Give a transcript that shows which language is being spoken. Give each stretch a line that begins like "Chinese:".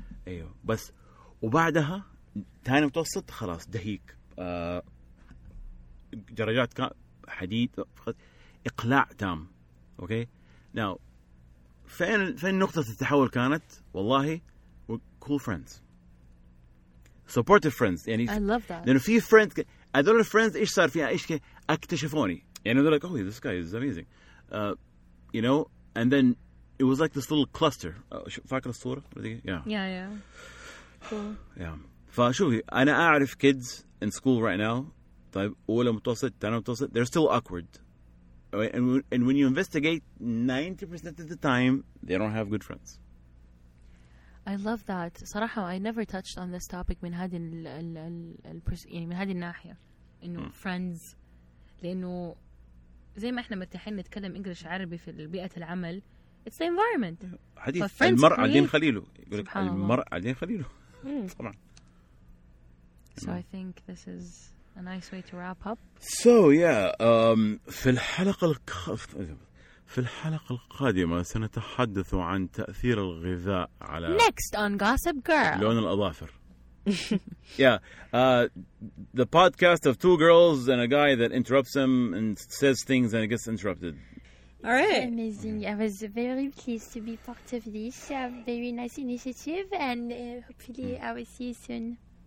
Arabic: ايوه بس وبعدها ثاني متوسط خلاص دهيك درجات حديد اقلاع تام اوكي
English: Now,
Arabic: فين نقطة التحول كانت؟ والله
English: we're cool friends. Supportive friends.
Arabic: يعني
English: I love that.
Arabic: لأنه في friends هذول friends إيش صار فيها؟ إيش اكتشفوني. يعني
English: they're like, oh, this guy is amazing. You know, and then it was like this little cluster.
Arabic: فاكر الصورة؟
English: Yeah. Cool. Yeah.
Arabic: فشوفي أنا أعرف
English: kids in school right now.
Arabic: طيب أولى متوسط تاني متوسط
English: they're still awkward. And when you investigate, 90% of the time, they don't have good friends. I love that.
Arabic: صراحة,
English: I never touched on this topic
Arabic: من هذه ال يعني من هذه الناحية إنه friends لأنه زي ما إحنا متحين نتكلم إنجليش عربي في بيئة العمل,
English: it's the environment.
Arabic: حديث المرأة عدين خليله. سبحان الله. المرأة عدين خليله. طبعاً.
English: So I think this is. A nice way to wrap up. So yeah,
Arabic: في الحلقة في الحلقة القادمة سنتحدث عن تأثير الغذاء على.
English: Next on Gossip Girl.
Arabic: لون الأظافر.
English: Yeah, the podcast of two girls and a guy that interrupts them and says things and it gets interrupted. All right. Amazing. Okay. I was very pleased to be part of this. Very nice initiative, and hopefully I will see you soon.